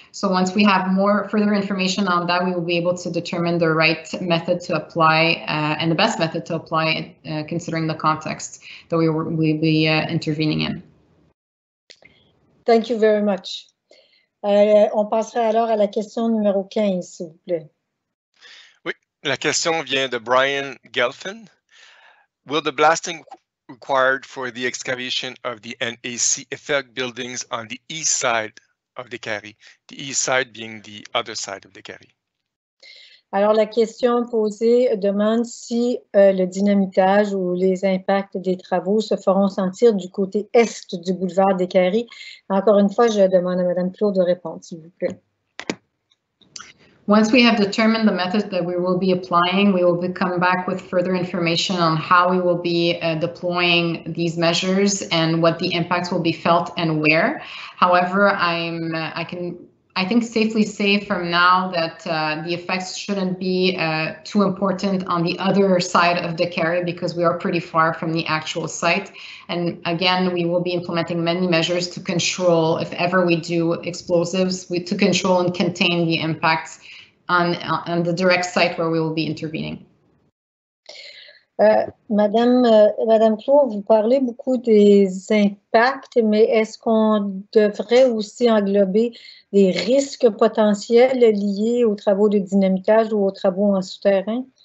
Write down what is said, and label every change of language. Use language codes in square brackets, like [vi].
[en] So once we have more further information on that, we will be able to determine the right method to apply and the best method to apply considering the context that we will be intervening in. Thank you very much. [fr] On passerait alors à la question numéro 15, s'il vous plaît. Oui, la question vient de Brian Gelfin. [en] Will the blasting required for the excavation of the NAC effect buildings on the east side of the carry, the east side being the other side of the carry? [fr] Alors, la question posée demande si le dynamitage ou les impacts des travaux se feront sentir du côté est du boulevard des Carrés. Encore une fois, je demande à Mme Claude de répondre, s'il vous plaît. [en] Once we have determined the method that we will be applying, we will come back with further information on how we will be deploying these measures and what the impacts will be felt and where. However, I think safely say from now that the effects shouldn't be too important on the other side of the carry because we are pretty far from the actual site. And again, we will be implementing many measures to control, if ever we do explosives, to control and contain the impacts on the direct site where we will be intervening. [fr] Madame Claude, vous parlez beaucoup des impacts, mais est-ce qu'on devrait aussi englober les risques potentiels liés aux travaux de dynamitage ou aux travaux en souterrain?